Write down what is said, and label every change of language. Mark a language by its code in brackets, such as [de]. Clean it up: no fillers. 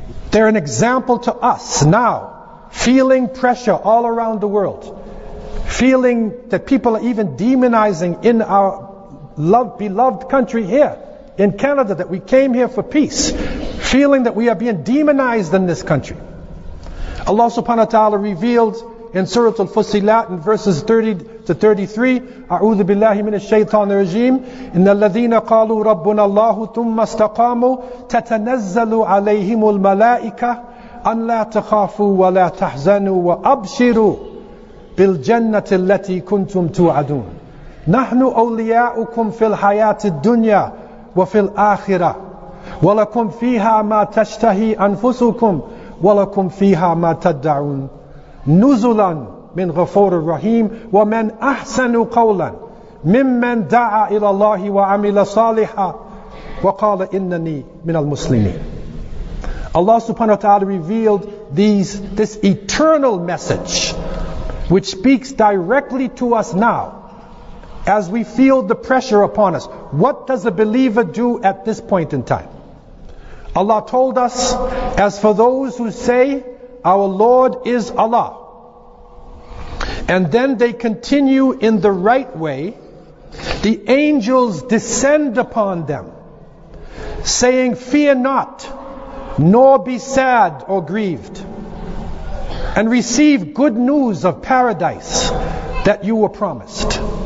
[en] They're an example to us now, feeling pressure all around the world, feeling that people are even demonizing in our beloved country here in Canada, that we came here for peace, feeling that we are being demonized in this country. Allah subhanahu wa ta'ala revealed in Surah Al-Fussilat in verses 30-33, [ar] أعوذ بالله من الشيطان الرجيم إن الذين قالوا ربنا الله ثم استقاموا تتنزل عليهم الملائكة أن لا تخافوا ولا تحزنوا وأبشروا بالجنة التي كنتم توعدون نحن أولياؤكم في الحياة الدنيا وفي الآخرة ولكم فيها ما تشتهي أنفسكم ولكم فيها ما تدعون نزلا من غفور الرحيم ومن أحسن قولا ممن دعا إلى الله وعمل صالحا وقال إنني من المسلمين. [en] Allah subhanahu wa ta'ala revealed this eternal message, which speaks directly to us now, as we feel the pressure upon us. What does a believer do at this point in time? Allah told us, as for those who say, our Lord is Allah, and then they continue in the right way, the angels descend upon them, saying, fear not, nor be sad or grieved, and receive good news of paradise that you were promised.